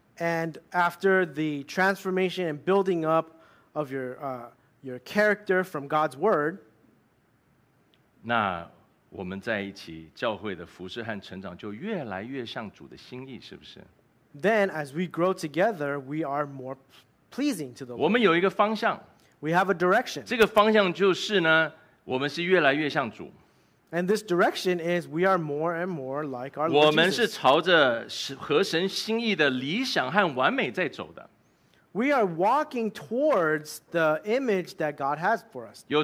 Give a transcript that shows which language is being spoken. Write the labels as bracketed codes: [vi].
[en] and after the transformation and building up of your your character from God's word. [zh] 那我们在一起，教会的服事和成长就越来越像主的心意，是不是？ [en] Then as we grow together, we are more pleasing to the Lord. [zh] 我们有一个方向。 [en] We have a direction. [zh] 这个方向就是呢，我们是越来越像主。 [en] And this direction is we are more and more like our Lord. [zh] 我们是朝着和神心意的理想和完美在走的。 [en] We are walking towards the image that God has for us.